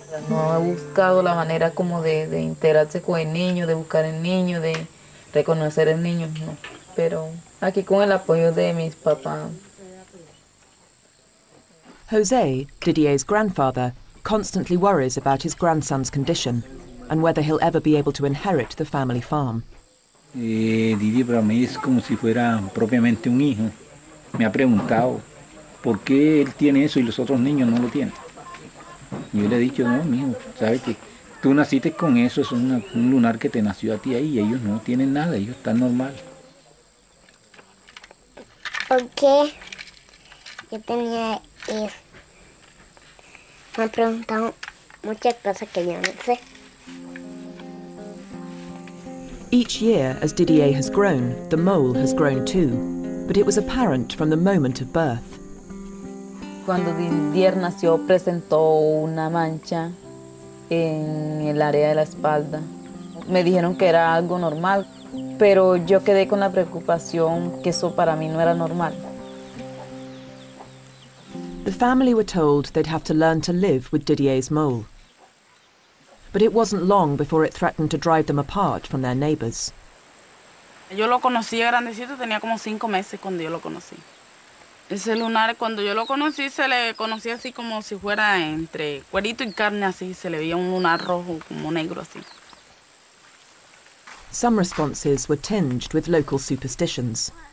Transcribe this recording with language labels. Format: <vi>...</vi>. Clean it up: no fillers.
<es>No, he buscado la manera como de integrarse con el niño, de buscar el niño, de reconocer el niño, no. Pero aquí con el apoyo de mis papás.</es> <en>José, Didier's grandfather, constantly worries about his grandson's condition and whether he'll ever be able to inherit the family farm.</en> <es>Didier para mí es como si fuera propiamente un hijo. Me ha preguntado por qué él tiene eso y los otros niños no lo tienen. Yo le he dicho, no, mijo, sabes que tú naciste con eso, es un lunar que te nació a ti ahí y ellos no tienen nada, ellos están normal. Porque yo tenía me han preguntado muchas cosas que yo no sé.</es> <en>Each year, as Didier has grown, the mole has grown too, but it was apparent from the moment of birth.</en> <es>Cuando Didier nació, presentó una mancha en el área de la espalda. Me dijeron que era algo normal. Pero yo quedé con la preocupación que eso para mí no era normal.</es> <en>The family were told they'd have to learn to live with Didier's mole. But it wasn't long before it threatened to drive them apart from their neighbors.</en> <es>Yo lo conocí grandecito, tenía como 5 meses cuando yo lo conocí. Ese lunar, cuando yo lo conocí, se le conocía así como si fuera entre cuerito y carne, así, se le veía un lunar rojo, como negro, así.</es> <en>Some responses were tinged with local superstitions.</en>